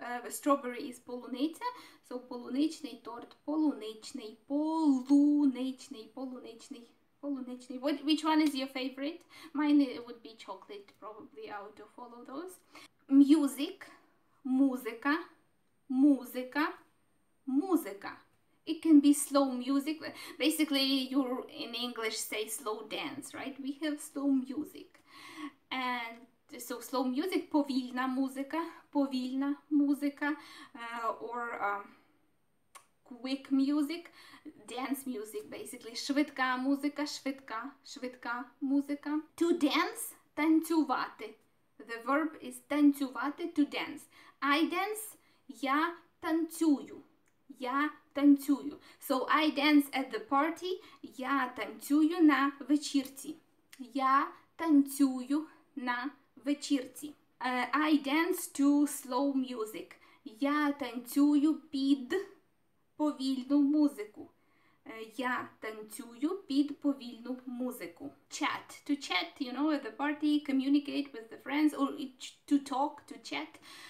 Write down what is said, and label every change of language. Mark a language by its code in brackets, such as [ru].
[en] Strawberry is [uk] полуниця, so полуничний торт, полуничний, полуничний, полуничний, полуничний. [en] What, which one is your favorite? Mine would be chocolate, probably, out of all of those. [uk] Music, музика, музика, музика. [en] It can be slow music. Basically, you in English say slow dance, right? We have slow music. And so slow music, [uk] повільна музика, повільна музика, [en] or quick music, dance music, basically. [uk] Швидка музика, швидка, швидка музика. [en] To dance, танцювати. The verb is танцювати, to dance. I dance, [uk] я танцюю, я танцюю. [en] So I dance at the party, [uk] я танцюю на вечірці. Я танцюю на вечірці. [en] I dance to slow music. [uk] Я танцюю під повільну музику. Я танцюю під повільну музику. [en] Chat. To chat, you know, at the party, communicate with the friends, or to talk, to chat.